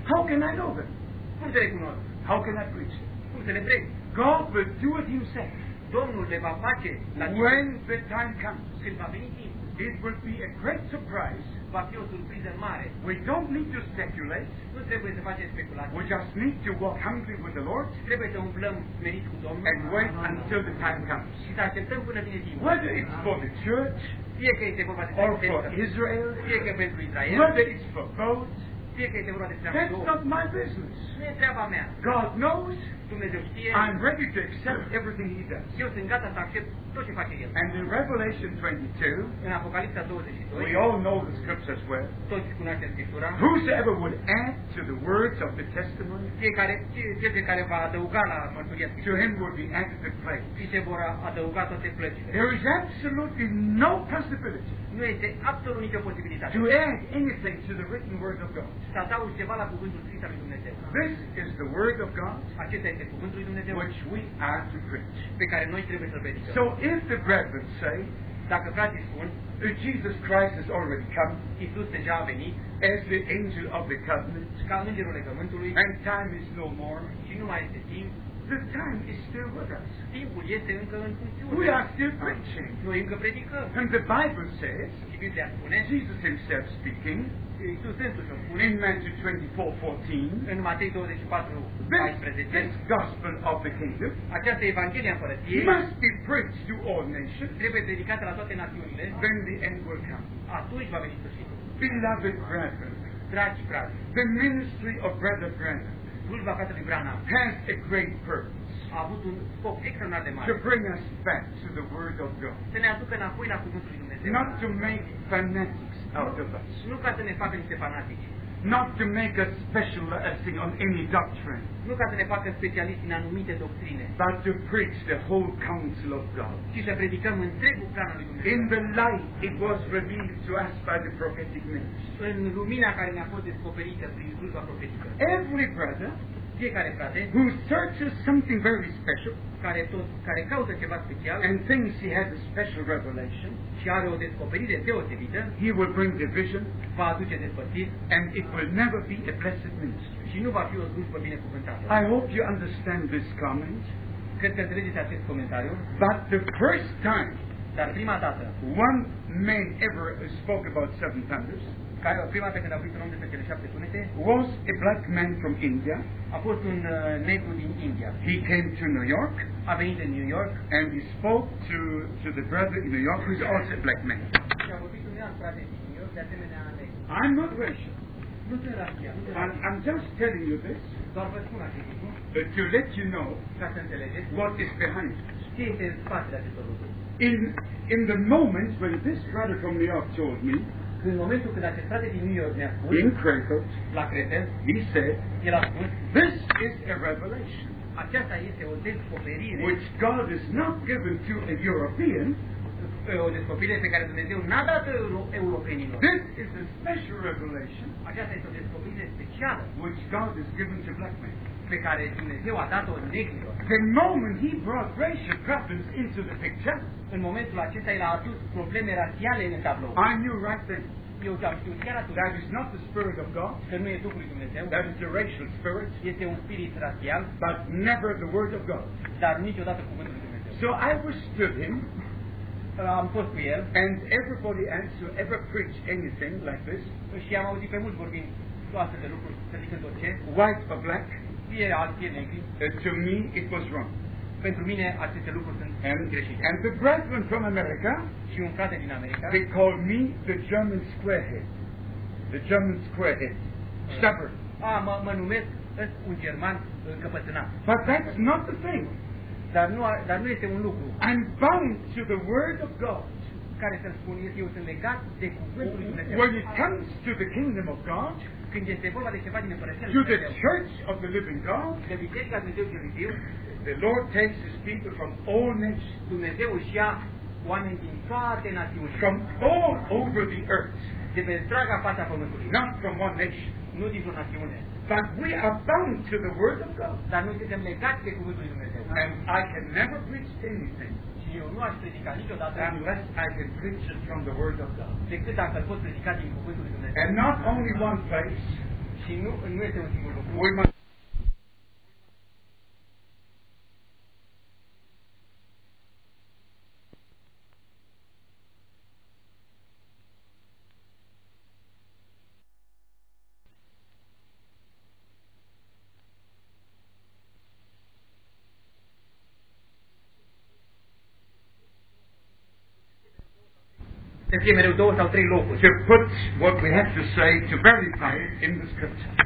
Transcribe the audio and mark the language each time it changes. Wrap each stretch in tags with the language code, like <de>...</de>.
<en>How can I know them?</en> <ro>Cum să le cunosc?</ro> <en>How can I preach?</en> <ro>Cum să le predic?</ro> <en>God will do it himself.</en> <ro>Domnul le va face.</ro> <en>When the time comes,</en> <ro>când va veni timpul,</ro> <en>it will be a great surprise.</en> <ro>Va fi o surpriză mare.</ro> <en>We don't need to speculate.</en> <ro>Nu trebuie să facem speculații.</ro> <en>We just need to walk humbly with the Lord.</en> <ro>Trebuie să umblăm smerit cu Domnul.</ro> <en>And wait until the time comes.</en> <ro>Și să așteptăm până vine timpul.</ro> <en>Whether it's for the church,</en> <ro>fie că este vorba de</ro> <en>or for Israel,</en> <ro>fie că pentru Israel,</ro> <en>whether it's for both,</en> <ro>fie că este vorba de</ro> <en>that's</en> <ro>două.</ro> <en>Not my business.</en> <ro>Nu e treaba mea.</ro> <en>God knows.</en> <ro>Dumnezeu știe.</ro> <en>I'm ready to accept everything he does.</en> <ro>Eu sunt gata să accept tot ce face el.</ro> <en>And in Revelation 22,</en> <ro>în Apocalipsa 22,</ro> <en>we all know the scriptures well.</en> <ro>Toți cunoaștem scriptura.</ro> <en>Whosoever would add to the words of the testimony,</en> <ro>fiecare va adăuga la mărturia scripturii,</ro> <en>to him would be added the plague.</en> <ro>Și se vor adăuga toate plăcile.</ro> <en>There is absolutely no possibility.</en> <ro>Nu este absolut nicio posibilitate.</ro> <en>To add anything to the written word of God.</en> <ro>Să adaugi ceva la cuvântul scris al lui Dumnezeu.</ro> <en>This is the word of God.</en> <ro>Acesta este cuvântul lui Dumnezeu.</ro> <en>Which we are to preach.</en> <ro>Pe care noi trebuie să-l predicăm.</ro> <en>So if the brethren say,</en> <ro>dacă frații spun,</ro> <en>Jesus Christ has already come,</en> <ro>Iisus deja a venit,</ro> <en>as the angel of the covenant,</en> <ro>ca îngerul legământului,</ro> <en>and time is no more,</en> <ro>și nu mai este timp,</ro> <en>the time is still with us.</en> <ro>Timpul este încă în funcțiune.</ro> <en>We are still preaching.</en> <ro>Noi încă predicăm.</ro> <en>And the Bible says,</en> <ro>și Biblia spune,</ro> <en>Jesus himself speaking,</en> <ro>Iisus însuși spune,</ro> <en>in Matthew 24:14,</en> <ro>în Matei 24:14,</ro> <en>this gospel of the kingdom,</en> <ro>această evanghelie a împărăției,</ro> <en>must be preached to all nations,</en> <ro>trebuie predicată la toate națiunile,</ro> <en>then the end will come.</en> <ro>Atunci va veni sfârșitul.</ro> <en>Beloved brethren,</en> <ro>dragi frați,</ro> <en>the ministry of Brother Branham,</en> <ro>slujba fratelui Branham,</ro> <en>has a great purpose,</en> <ro>a avut un scop extraordinar de mare,</ro> <en>to bring us back to the word of God,</en> <ro>să ne aducă înapoi la cuvântul lui Dumnezeu,</ro> <en>not to make fanatics out of us.</en> <ro>Nu ca să ne facă niște fanatici.</ro> <en>Not to make us specializing on any doctrine.</en> <ro>Nu ca să ne facă specialiști în anumite doctrine.</ro> <en>But to preach the whole counsel of God.</en> <ro>Și să predicăm întregul plan al lui Dumnezeu.</ro> <en>In the light it was revealed to us by the prophetic ministry.</en> <ro>În lumina care ne-a fost descoperită prin slujba profetică.</ro> <en>Every brother,</en> <ro>fiecare frate,</ro> <en>who searches something very special,</en> <ro>care caută ceva special,</ro> <en>and thinks he has a special revelation,</en> <ro>și are o descoperire deosebită,</ro> <en>he will bring division,</en> <ro>va aduce despărțiri,</ro> <en>and it will never be a blessed ministry.</en> <ro>Și nu va fi o slujbă binecuvântată.</ro> <en>I hope you understand this comment.</en> <ro>Cred că înțelegeți acest comentariu.</ro> <en>But the first time,</en> <ro>dar prima dată,</ro> <en>one man ever spoke about seven thunders,</en> <ro>care prima dată când a vorbit un om despre cele șapte tunete,</ro> <en>was a black man from India.</en> <ro>A fost un negru din India.</ro> <en>He came to New York.</en> <ro>A venit în New York.</ro> <en>And he spoke to the brother in New York, who is also a black man.</en> <ro>Și a vorbit un neam frate din New York, de asemenea negru.</ro> <en>I'm not Russian.</en> <ro>Nu sunt Russian.</ro> <en>I'm just telling you this.</en> <ro>Doar vă spun acest lucru.</ro> <en>To let you know.</en> <ro>Ca să înțelegeți.</ro> <en>What is behind it.</en> <ro>Ce este în spatele acestor lucruri.</ro> <en>In the moment when this brother from New York told me,</en> <ro>în momentul când acest frate din New York ne-a spus,</ro> <en>in Cretel,</en> <ro>la Cretel,</ro> <en>he said,</en> <ro>el a spus,</ro> <en>this is a revelation.</en> <ro>Aceasta este o descoperire,</ro> <en>which God has not given to a European,</en> <ro>o descoperire pe care Dumnezeu n-a dat europenilor.</ro> <en>This is a special revelation.</en> <ro>Aceasta este o descoperire specială,</ro> <en>which God has given to black men.</en> <ro>Pe care Dumnezeu a dat-o negrilor.</ro> <en>The moment he brought racial problems into the picture,</en> <ro>în momentul acesta el a adus probleme rasiale în tablou.</ro> <en>I knew right then.</en> <ro>Eu am știut chiar atunci.</ro> <en>That is not the spirit of God.</en> <ro>Că nu e Duhul lui Dumnezeu.</ro> <en>That is a racial spirit.</en> <ro>Este un spirit rasial.</ro> <en>But never the word of God.</en> <ro>Dar niciodată cuvântul lui Dumnezeu.</ro> <en>So I withstood him.</en> <ro>am fost cu el.</ro> <en>And everybody else who ever preached anything like this.</en> <ro>Și am auzit pe mulți vorbind toate de lucruri, predicând orice.</ro> <en>White or black.</en> <ro>Fie alb, fie negri.</ro> <en>To me, it was wrong.</en> <ro>Pentru mine aceste lucruri sunt greșite.</ro> <en>And the brethren from America.</en> <ro>Și un frate din America.</ro> <en>They called me the German squarehead. The German squarehead. Stubborn.</en> <ro>Ah, mă numesc un german încăpățânat.</ro> <en>But that's not the thing.</en> <ro>Dar nu este un lucru.</ro> <en>I'm bound to the word of God.</en> <ro>Care să-l spun, eu sunt legat de cuvântul lui Dumnezeu.</ro> <en>When it comes to the kingdom of God,</en> <ro>când este vorba de ceva din împărăția lui Dumnezeu,</ro> <en>to the church of the living God,</en> <ro>de biserica Dumnezeului viu,</ro> <en>the Lord takes his people from all nations.</en> <ro>Dumnezeu își ia oameni din toate națiunile.</ro> <en>From all over the earth.</en> <ro>De pe întreaga fața pământului.</ro> <en>Not from one nation.</en> <ro>Nu dintr-o națiune.</ro> <en>But we are bound to the word of God.</en> <ro>Dar noi suntem legați de cuvântul lui Dumnezeu.</ro> <en>And I can never preach anything.</en> <ro>Și eu nu aș predica niciodată.</ro> <en>Unless I can preach it from the word of God.</en> <ro>Decât dacă pot predica din cuvântul lui Dumnezeu.</ro> <en>And not only one place.</en> <ro>Și nu este un singur lucru. Fie mereu două sau trei locuri.</ro> <en>To put what we have to say to verify it in the scripture.</en>